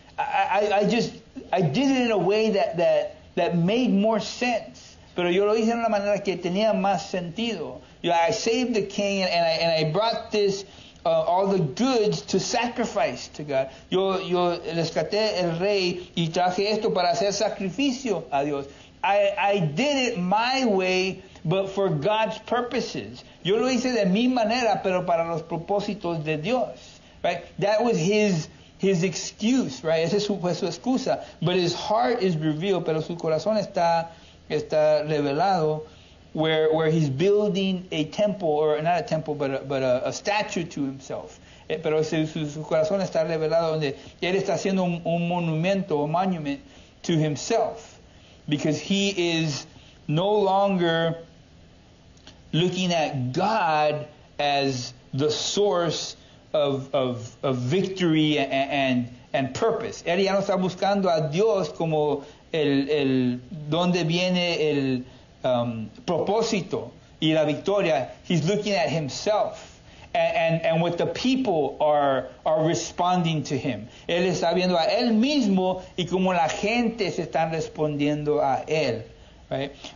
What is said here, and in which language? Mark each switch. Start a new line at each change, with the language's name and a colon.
English: I did it in a way that made more sense.
Spanish: Pero yo lo hice en una manera que tenía más sentido.
English: You know, I saved the king and I brought this all the goods to sacrifice to God.
Spanish: Yo rescaté el rey y traje esto para hacer sacrificio a Dios.
English: I did it my way, but for God's purposes.
Spanish: Yo lo hice de mi manera, pero para los propósitos de Dios.
English: Right? That was his excuse, right?
Spanish: Esa fue su excusa.
English: But his heart is revealed,
Spanish: pero su corazón está revelado,
English: where he's building a temple, or not a temple, but a statue to himself.
Spanish: Pero su corazón está revelado donde él está haciendo un monumento,
English: a monument to himself. Because he is no longer looking at God as the source of victory and purpose.
Spanish: Él ya no está buscando a Dios como el donde viene el propósito y la victoria.
English: He's looking at himself and what the people are responding to him.
Spanish: Él está viendo a él mismo y como la gente se están respondiendo a él, right?